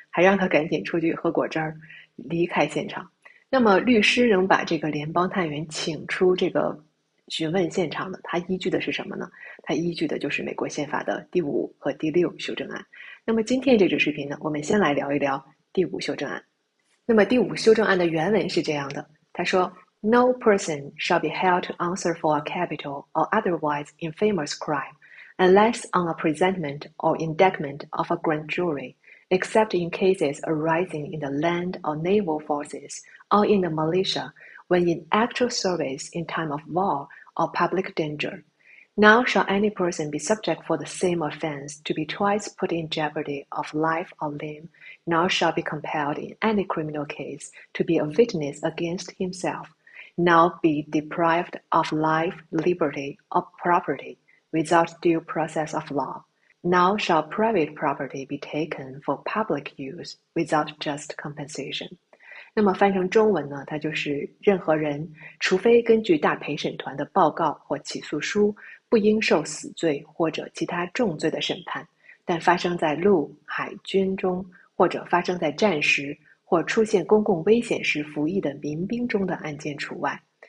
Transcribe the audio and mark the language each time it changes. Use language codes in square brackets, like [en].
[zh] 还让他赶紧出去喝果汁儿，离开现场。那么律师仍把这个联邦探员请出这个询问现场的，他依据的是什么呢？他依据的就是美国宪法的第五和第六修正案。那么今天这支视频呢，我们先来聊一聊第五修正案。那么第五修正案的原文是这样的，他说 [en] No person shall be held to answer for a capital or otherwise infamous crime unless on a presentment or indictment of a grand jury, except in cases arising in the land or naval forces or in the militia,When in actual service in time of war or public danger, now shall any person be subject for the same offense to be twice put in jeopardy of life or limb, now shall be compelled in any criminal case to be a witness against himself, now be deprived of life, liberty, or property without due process of law, now shall private property be taken for public use without just compensation. [zh] 那么翻成中文呢，它就是任何人除非根据大陪审团的报告或起诉书不应受死罪或者其他重罪的审判，但发生在陆海军中或者发生在战时或出现公共危险时服役的民兵中的案件除外，